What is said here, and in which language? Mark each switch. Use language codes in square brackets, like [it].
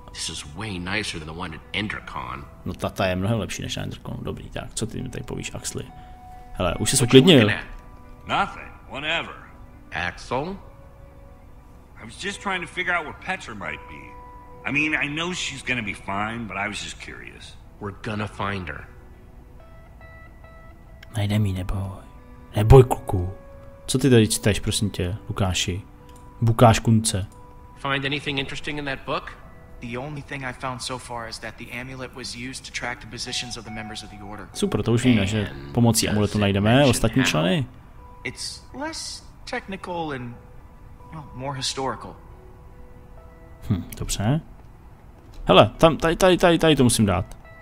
[en] This is way nicer than the one at Endercon. [cs] No ta je mnohem lepší než na Endercon, dobrý, tak, co ty mi tady povíš, Axley? Hele, už se uklidnil. [en] Nothing, whatever. Axel? I was just trying to figure out where Petra might be. I mean, I know she's gonna be fine, but I was just curious. We're gonna find her. [cs] Najdem ji, neboj. Neboj, kuku. Co ty tady čteš, prosím tě, Lukáši? Bukáš kunce. [en] Find anything interesting in that book? The only thing I found so far is that the amulet was used to track the positions of the members of the order. [cs] Super, to už víme, že pomocí amuletu najdeme ostatní členy. [en] It's less... technical and well, more historical. [cs] Dobře. Hele, tam tady to musím dát.